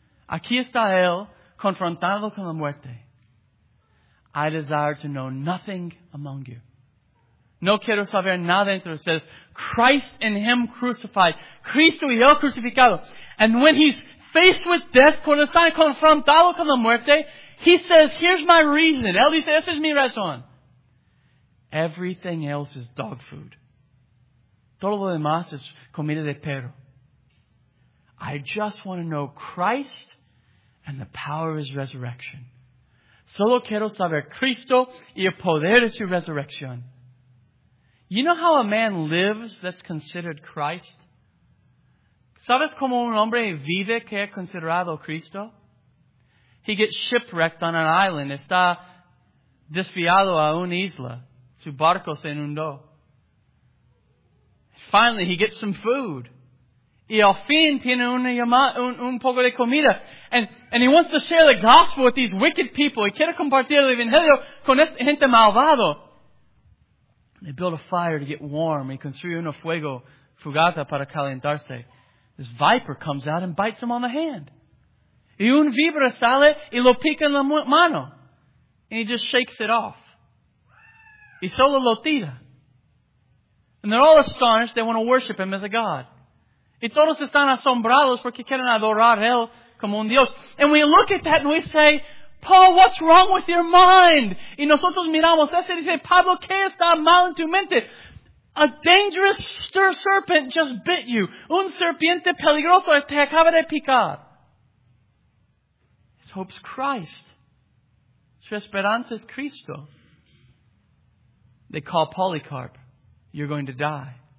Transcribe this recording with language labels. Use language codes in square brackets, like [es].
[es] Aquí está él, confrontado con la muerte. [en] I desire to know nothing among you. [es] No quiero saber nada entre ustedes. [en] Christ and Him crucified. [es] Cristo y él crucificado. [en] And when He's faced with death, [es] cuando está confrontado con la muerte, [en] He says, here's my reason. [es] Él dice, esa es mi razón. [en] Everything else is dog food. [es] Todo lo demás es comida de perro. [en] I just want to know Christ and the power of His resurrection. [es] Solo quiero saber Cristo y el poder de su resurrección. [en] You know how a man lives that's considered Christ? [es] ¿Sabes cómo un hombre vive que es considerado Cristo? [en] He gets shipwrecked on an island. [es] Está desviado a una isla. Su barco se inundó. [en] Finally, he gets some food. [es] Y al fin tiene un poco de comida. [en] And he wants to share the gospel with these wicked people. [es] Y quiere compartir el evangelio con esta gente malvado. [en] They build a fire to get warm. [es] Y construye una fuego fugata para calentarse. [en] This viper comes out and bites him on the hand. [es] Y un víbora sale y lo pica en la mano. [en] And he just shakes it off. [es] Y solo lo tira. [en] And they're all astonished. They want to worship him as a god. [es] Y todos están asombrados porque quieren adorar él como un Dios. [en] And we look at that and we say, Paul, what's wrong with your mind? [es] Y nosotros miramos eso y dice, Pablo, ¿qué está mal en tu mente? [en] A dangerous serpent just bit you. [es] Un serpiente peligroso te acaba de picar. [en] His hope's Christ. [es] Su esperanza es Cristo. [en] They call Polycarp. You're going to die.